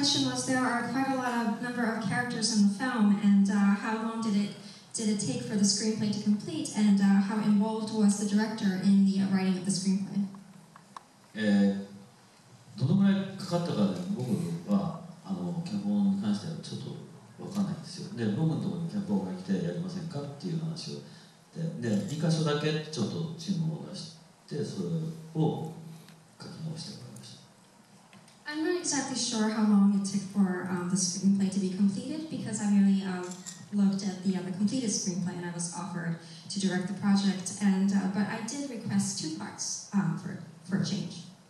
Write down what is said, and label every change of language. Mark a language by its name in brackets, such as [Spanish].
[English] question was, there are quite a lot of number of characters in the film, and how long did it take for the screenplay to complete, and how involved was the director in the writing of the screenplay? [Japanese] どのくらいかかったか僕はあの脚本に関してはちょっとわかんないんですよ。で、僕のところに脚本が来てやりませんかっていう話をで、で、2箇所だけちょっとチームを出してそれを書き直してもらいました。 [English] I'm not exactly sure how long it took for the screenplay to be completed because I really looked at the completed screenplay and I was offered to direct the project and but I did request two parts for a change.